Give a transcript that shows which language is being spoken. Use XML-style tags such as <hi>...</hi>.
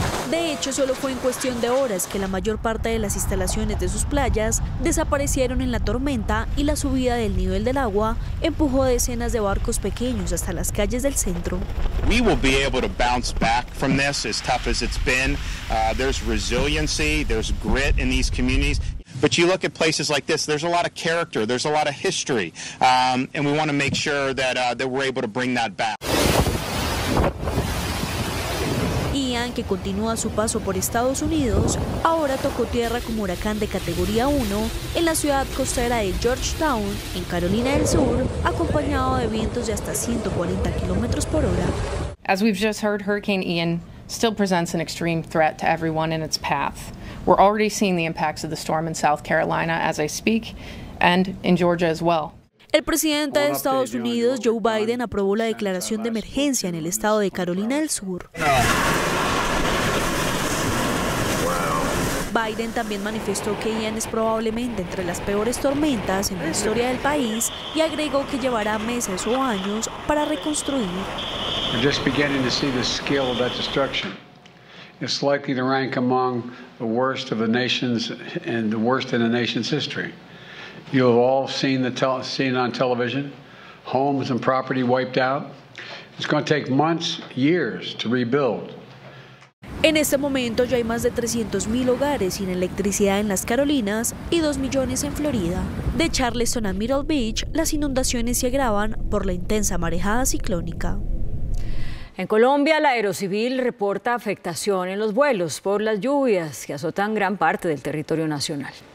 <es>De hecho, solo fue en cuestión de horas que la mayor parte de las instalaciones de sus playas desaparecieron en la tormenta y la subida del nivel del agua empujó decenas de barcos pequeños hasta las calles del centro.</es> <en>We will be able to bounce back from this as tough as it's been. There's resiliency, there's grit in these communities. But you look at places like this, there's a lot of character, there's a lot of history. And we want to make sure that that we're able to bring that back.</en> <es>Ian, que continúa su paso por Estados Unidos, ahora tocó tierra como huracán de categoría 1 en la ciudad costera de Georgetown, en Carolina del Sur, acompañado de vientos de hasta 140 kilómetros por hora.</es> <en>As we've just heard, Hurricane Ian still presents an extreme threat to everyone in its path. We're already seeing the impacts of the storm in South Carolina as I speak, and in Georgia as well.</en> <es>El presidente de Estados Unidos, Joe Biden, aprobó la declaración de emergencia en el estado de Carolina del Sur. Biden también manifestó que Ian es probablemente entre las peores tormentas en la historia del país y agregó que llevará meses o años para reconstruir.</es> <en>We're just beginning to see the scale of that destruction. It's likely to rank among the worst of the nation's and the worst in the nation's history. You have all seen on television, homes and property wiped out. It's going to take months, years to rebuild.</en> <es>En este momento ya hay más de 300.000 hogares sin electricidad en las Carolinas y 2 millones en Florida. De Charleston a Myrtle Beach, las inundaciones se agravan por la intensa marejada ciclónica. En Colombia, la Aerocivil reporta afectación en los vuelos por las lluvias que azotan gran parte del territorio nacional.</es>